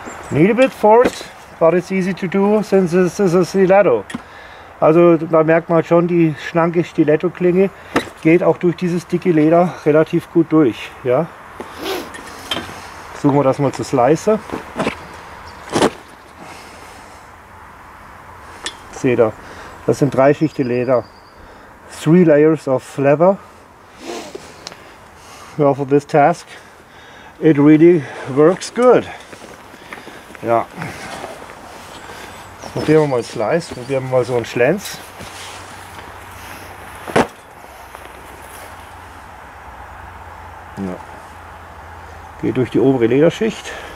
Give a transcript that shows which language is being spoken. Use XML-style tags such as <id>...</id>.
<en>Need a bit force, but it's easy to do since this is a stiletto.</en> <de>Also da merkt man schon, die schlanke Stiletto-Klinge geht auch durch dieses dicke Leder relativ gut durch. Ja. Versuchen wir das mal zu slicen. Seht ihr, das sind drei Schichten Leder.</de> <en>Three layers of leather. Well, for this task, it really works good.</en> <de>Ja. Probieren wir mal einen Slice, probieren wir mal so einen Schlenz. Ja. Geht durch die obere Lederschicht.</de>